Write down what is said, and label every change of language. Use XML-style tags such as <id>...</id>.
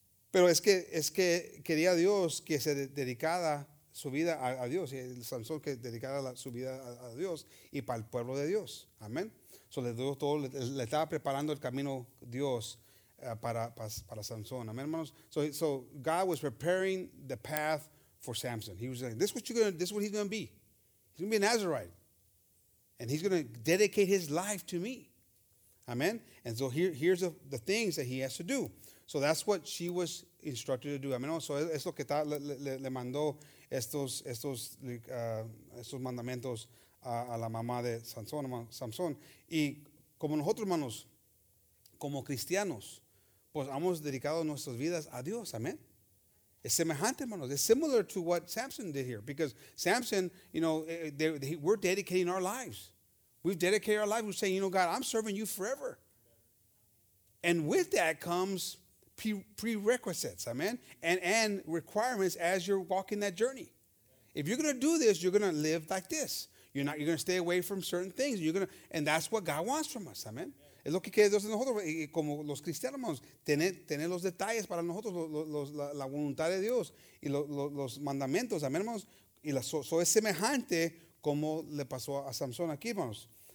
<es>Pero es que quería Dios que se dedicara su vida a Dios. Y el Sansón que dedicara su vida a Dios y para el pueblo de Dios. Amén. So le dio todo, le estaba preparando el camino Dios para Sansón. Amén, hermanos.</es> <en>So God was preparing the path for Samson. He was like, this is what he's going to be. He's going to be a Nazarite. And he's going to dedicate his life to me. Amen. And so here's the things that he has to do. So that's what she was instructed to do. Amen.</en> <es>So es lo que le mandó estos mandamientos a la mamá de Samson. Y como nosotros, hermanos, como cristianos, pues hemos dedicado nuestras vidas a Dios.</es> <en>Amen.</en> <es>Es semejante, hermanos.</es> <en>It's similar to what Samson did here. Because Samson, you know, we're dedicating our lives. We've dedicated our lives. We're saying, you know, God, I'm serving you forever. And with that comes prerequisites, amen, and requirements as you're walking that journey. If you're going to do this, you're going to live like this. You're going to stay away from certain things. And that's what God wants from us, amen.</en> <es>Es lo que quiere Dios de nosotros, como los cristianos, hermanos, tener los detalles para nosotros, la voluntad de Dios y los mandamientos, amén, hermanos. Y eso es semejante como le pasó a Samson aquí, hermanos.</es>